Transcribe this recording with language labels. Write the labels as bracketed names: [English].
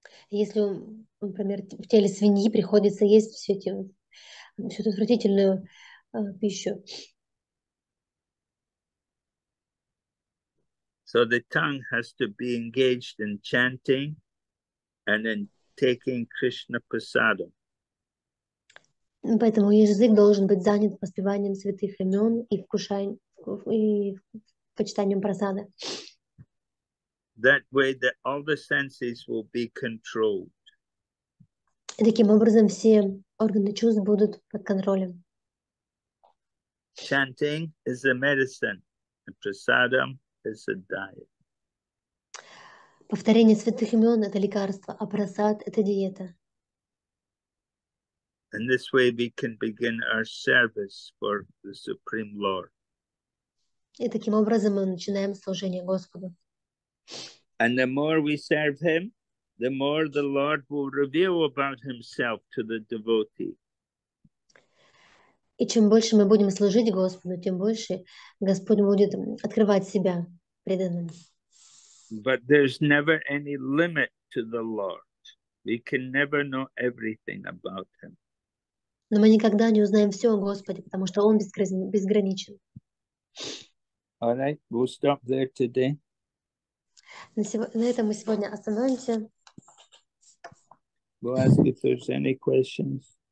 [Russian] Если, например, в теле свиньи приходится есть всю эту отвратительную пищу. [English] So the tongue has to be engaged in chanting and in taking Krishna prasada. [Russian] Поэтому язык должен быть занят воспеванием святых имен и почитанием прасада. [English] That way that all the senses will be controlled. [Russian] И таким образом все органы чувств будут под контролем. [English] Chanting is the medicine, and prasadam is the diet. [Russian] Повторение святых имен – это лекарство, а прасад – это диета. [English] And this way we can begin our service for the Supreme Lord. [Russian] И таким образом мы начинаем служение Господу. [English] And the more we serve him, the more the Lord will reveal about himself to the devotee. [Russian] И чем больше мы будем служить Господу, тем больше Господь будет открывать себя преданным. [English] But there's never any limit to the Lord. We can never know everything about him. [Russian] Но мы никогда не узнаем все о Господе, потому что он безграничен. [English] All right, we'll stop there today. [Russian] На этом мы сегодня остановимся. [English] We'll ask if there's any questions.